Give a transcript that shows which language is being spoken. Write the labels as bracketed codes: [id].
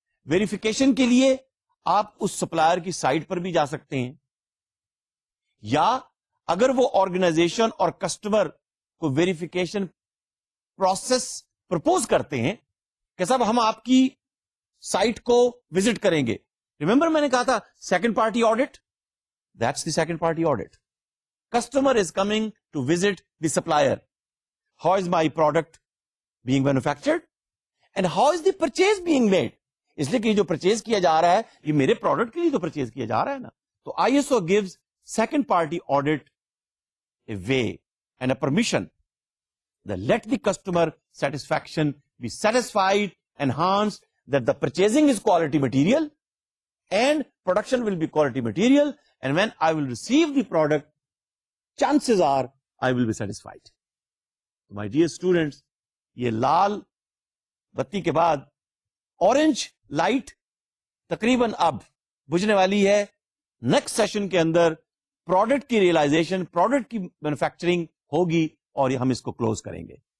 [ur] Verification کے لیے آپ اس سپلائر کی سائٹ پر بھی جا سکتے ہیں, یا اگر وہ آرگنائزیشن اور کسٹمر کو ویریفیکیشن پروسیس پروپوز کرتے ہیں کہ صاحب ہم آپ کی سائٹ کو وزٹ کریں گے, ریمبر میں نے کہا تھا second party audit, [en] That's the second party audit. Customer is coming to visit the supplier, how is my product being manufactured and how is the purchase being made. [ur] اس لیے کہ یہ جو پرچیز کیا جا رہا ہے یہ میرے پروڈکٹ کے لیے تو پرچیز کیا جا رہا ہے نا. [en] تو I S O gives second party audit a way and a permission that let the customer satisfaction be satisfied enhance that the purchasing is quality material and production will be quality material and when I will receive the product chances are I will be satisfied. My dear students, [ur] یہ لال بتی کے بعد orange light تقریباً اب بجھنے والی ہے. Next session کے اندر product کی ریئلائزیشن, پروڈکٹ کی مینوفیکچرنگ ہوگی اور ہم اس کو کلوز کریں گے.